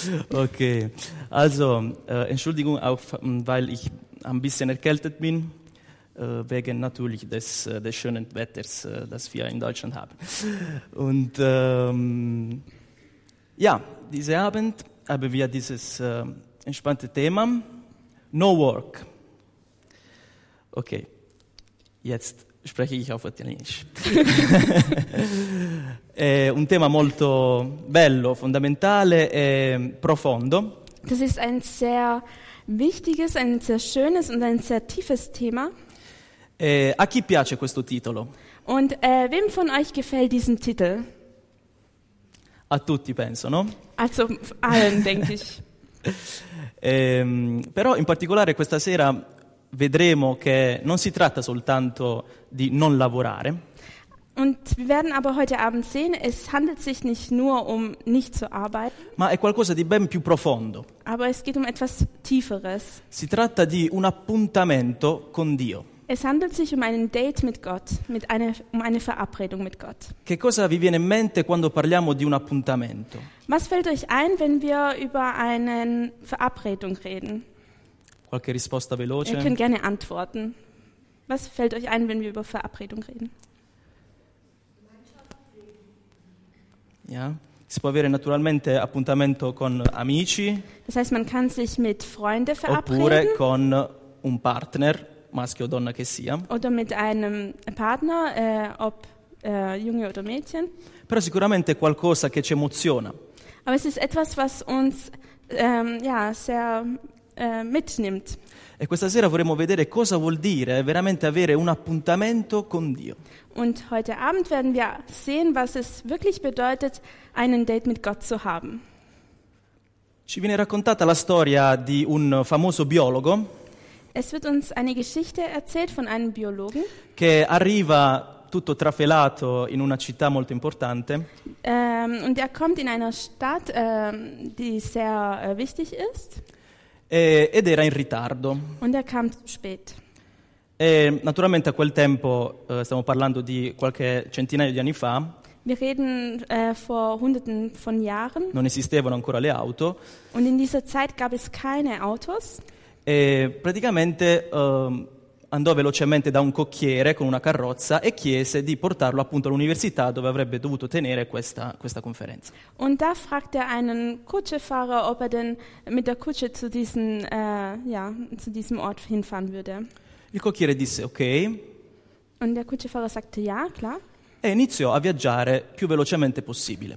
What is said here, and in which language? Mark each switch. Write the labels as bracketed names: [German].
[German] Okay, also Entschuldigung auch, weil ich ein bisschen erkältet bin, wegen natürlich des schönen Wetters, das wir in Deutschland haben. Und ja, diesen Abend haben wir dieses entspannte Thema, No Work. Okay, jetzt spreche ich auf Italienisch. [Italian] È un tema molto bello, fondamentale e profondo. [German] Das ist ein sehr wichtiges, ein sehr schönes und ein sehr tiefes Thema. [Italian] A chi piace questo titolo? [German] Und wem von euch gefällt diesen Titel? [Italian] A tutti, penso, no? [German] Also allen, denke ich. [Italian] Però in particolare questa sera vedremo che non si tratta soltanto di non lavorare. [German] Und wir werden aber heute Abend sehen, es handelt sich nicht nur um nicht zu arbeiten. [Italian] Ma è qualcosa di ben più profondo. [German] Aber es geht um etwas Tieferes. [Italian] Si tratta di un appuntamento con Dio. [German] Es handelt sich um einen Date mit Gott, um eine Verabredung mit Gott. [Italian] Che cosa vi viene in mente quando parliamo di un appuntamento? [German] Was fällt euch ein, wenn wir über eine Verabredung reden? [Italian] Qualche risposta veloce. [German] Ihr könnt gerne antworten. Was fällt euch ein, wenn wir über Verabredung reden? [Italian] Ja, si può avere naturalmente appuntamento con amici. [German] Das heißt, man kann sich mit Freunde verabreden. [Italian] Oppure con un partner, maschio o donna che sia. [German] Oder mit einem Partner, ob Junge oder Mädchen. [Italian] Però sicuramente qualcosa che ci emoziona. [German] Aber es ist etwas, was uns sehr mitnimmt. [Italian] E questa sera vorremmo vedere cosa vuol dire veramente avere un appuntamento con Dio. [German] Und heute Abend werden wir sehen, was es wirklich bedeutet, einen Date mit Gott zu haben. [Italian] Ci viene raccontata la storia di un famoso biologo. [German] Es wird uns eine Geschichte erzählt von einem Biologen. [Italian] Che arriva tutto trafelato in una città molto importante. [German] Und er kommt in einer Stadt, die sehr wichtig ist. [Italian] Ed era in ritardo. [German] Und er kam spät. [Italian] E naturalmente a quel tempo, stiamo parlando di qualche centinaio di anni fa. [German] Wir reden vor hunderten von Jahren. [Italian] Non esistevano ancora le auto. [German] Und in dieser Zeit gab es keine Autos. [Italian] E praticamente andò velocemente da un cocchiere con una carrozza e chiese di portarlo appunto all'università dove avrebbe dovuto tenere questa conferenza. [German] Und da fragte er einen Kutschefahrer, ob er denn mit der Kutsche zu diesem Ort hinfahren würde. [Italian] Il cocchiere disse ok. [German] Und der Kutschefahrer sagte ja, klar. [Italian] E iniziò a viaggiare più velocemente possibile.